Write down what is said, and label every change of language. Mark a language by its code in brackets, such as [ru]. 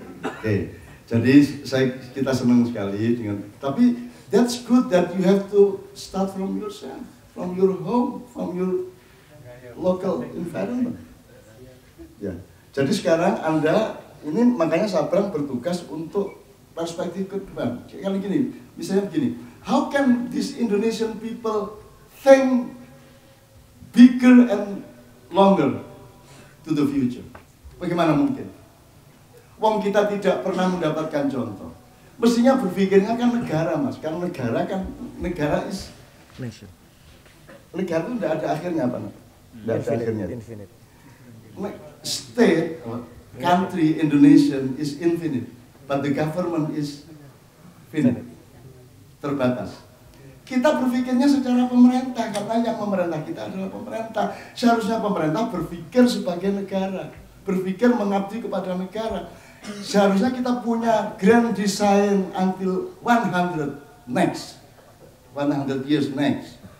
[id] Oke, jadi kita senang sekali dengan, tapi [en] that's good that you have to start from yourself, from your home, from your local environment. [id] Ya. Jadi sekarang Anda ini makanya sabar bertugas untuk perspektif ke depan. Kayak gini, misalnya begini. [en] How can these Indonesian people think bigger and longer to the future? [id] Bagaimana mungkin? Wong kita tidak pernah mendapatkan contoh. Mestinya berpikirnya kan negara, Mas. Karena negara kan negara is [en] nation. [id] Negara itu tidak ada akhirnya apa? Tidak ada akhirnya. [en] Infinite. State, country, Indonesian is infinite, but the government is finite. [id] Terbatas. Kita berpikirnya secara pemerintah, karena yang memerintah kita adalah pemerintah. Seharusnya pemerintah berpikir sebagai negara, berpikir mengabdi kepada negara. Seharusnya kita punya grand design [en] until 100 next, 100 years next.